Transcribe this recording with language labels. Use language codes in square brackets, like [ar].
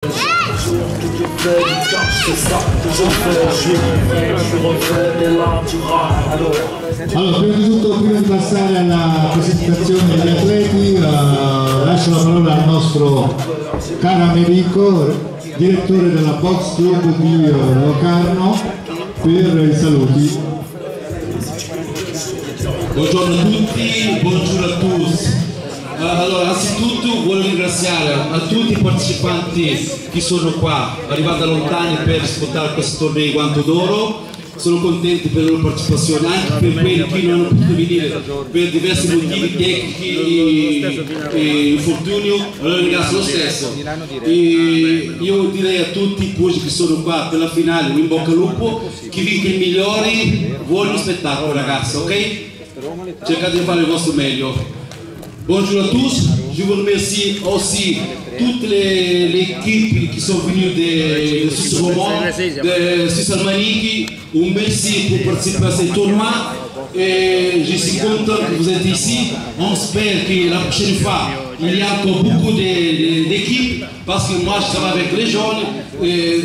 [fr] fais du cash, c'est ça que j'en fais. J'y vais, je refais, et là tu râles, alors. [it] Allora, prima di tutto, prima di passare alla presentazione degli atleti, lascio la parola al nostro caro amico, direttore della Box Club di Locarno, per i saluti. Buongiorno a tutti, buongiorno a tutti. Allora, anzitutto voglio ringraziare a tutti i partecipanti che sono qua, arrivati da lontani per ascoltare questo torneo di Guanto d'Oro. Sono contenti per la loro partecipazione, anche per quelli che non hanno potuto venire per diversi motivi tecnici e infortunio. Allora ringrazio lo stesso. E io direi a tutti i pugili che sono qua per la finale, in bocca al lupo, chi vince il migliore, voglio uno spettacolo ragazzi, ok? Cercate di fare il vostro meglio. Buongiorno a tutti, [fr] je vous remercie aussi toutes les équipes qui sont venues de Suisse romande, de Suisse Almanique. Un merci pour participer à ce tournoi. Et je suis content que vous êtes ici. On espère que la prochaine fois, il y a encore beaucoup d'équipes, parce que moi je travaille avec les jeunes.